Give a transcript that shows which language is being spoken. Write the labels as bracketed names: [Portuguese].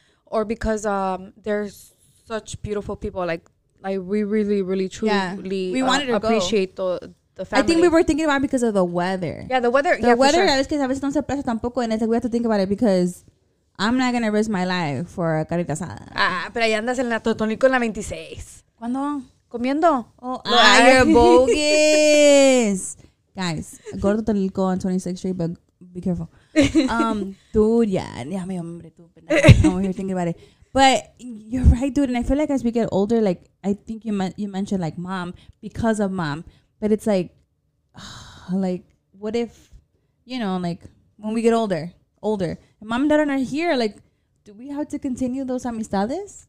[English] Or because there's such beautiful people, like we really, really, truly we wanted to appreciate the family. I think we were thinking about it because of the weather. Yeah, the weather. [Spanish] A veces no se presta tampoco, [English] and it's like we have to think about it because I'm not gonna risk my life for a carita asada. [Spanish] Ah, pero allá andas en la Totonico en la 26. ¿Cuándo? Comiendo. [English] Oh, you're bogus. Guys, go to Totonico on 26th Street, but be careful. Dude, yeah, [Spanish] mi hombre, tú. [English] No, you're thinking about it, but you're right, dude. And I feel like as we get older, like, I think you mentioned, like, mom, because of mom, but it's like what if, you know, like, when we get older, mom and dad are not here, like, do we have to continue those amistades?